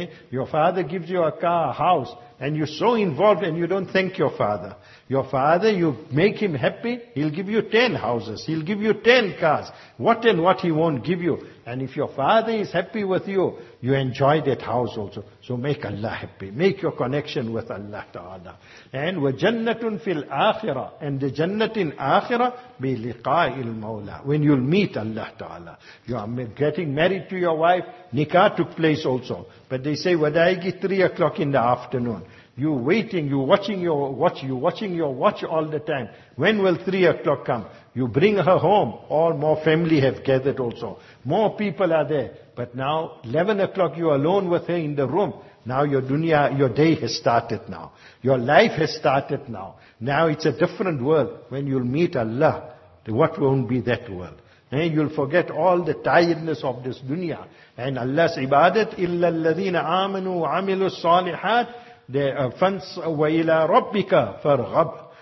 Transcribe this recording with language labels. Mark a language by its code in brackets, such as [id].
[en] Your father gives you a car, a house, and you're so involved and you don't thank your father. Your father, you make him happy, he'll give you 10 houses, he'll give you 10 cars. What and what he won't give you. And if your father is happy with you, you enjoy that house also. So make Allah happy. Make your connection with Allah Ta'ala. And [ar] وَجَنَّةٌ فِي الْآخِرَةِ. [en] And the jannat in akhirah, [ar] بِلِقَاءِ الْمَوْلَى. [en] When you'll meet Allah Ta'ala. You are getting married to your wife. Nikah took place also. But they say, [ar] وَدَائِقِ [en] 3 o'clock in the afternoon. You're waiting, you're watching your watch, you're watching your watch all the time. When will 3 o'clock come? You bring her home, all more family have gathered also. More people are there. But now, 11 o'clock, you're alone with her in the room. Now your dunya, your day has started now. Your life has started now. Now it's a different world. When you'll meet Allah, what won't be that world? You'll forget all the tiredness of this dunya. And Allah's ibadat, [ar] إِلَّا الَّذِينَ آمَنُوا وَعَمِلُوا الصَّالِحَاتِ وَإِلَىٰ رَبِّكَ فَرْغَبْ.